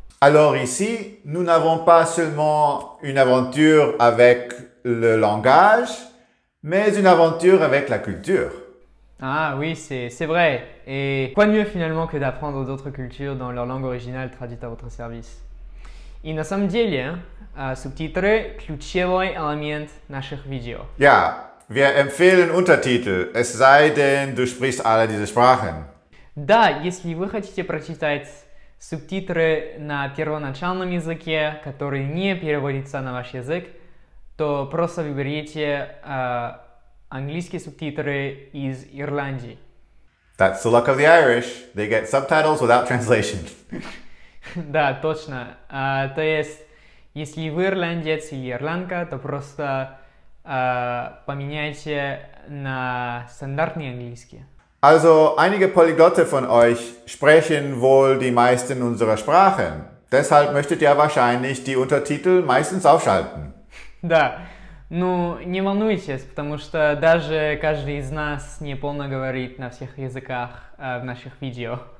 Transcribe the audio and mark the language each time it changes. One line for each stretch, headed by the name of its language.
French: Alors ici, nous n'avons pas seulement une aventure avec le langage, mais une aventure avec la culture. Ah oui, c'est vrai. Et quoi de mieux finalement que d'apprendre d'autres cultures dans leur langue originale traduite à votre service?
Russian: И на самом деле, субтитры – ключевой элемент наших видео.
German: Ja, wir empfehlen Untertitel, es sei denn, du sprichst alle diese Sprachen.
Russian: Да, если вы хотите прочитать субтитры на первоначальном языке, который не переводится на ваш язык, то просто выберите английские субтитры из Ирландии.
English: That's the luck of the Irish. They get subtitles without translation.
Russian: Да, точно. То есть, если вы ирландец или ирландка, то просто поменяйте на стандартный английский.
German: Also, einige Polyglotte von euch sprechen wohl die meisten unserer Sprachen. Deshalb möchtet ihr wahrscheinlich die Untertitel meistens aufschalten.
Russian: Да, ну не волнуйтесь, потому что даже каждый из нас не полно говорит на всех языках в наших видео.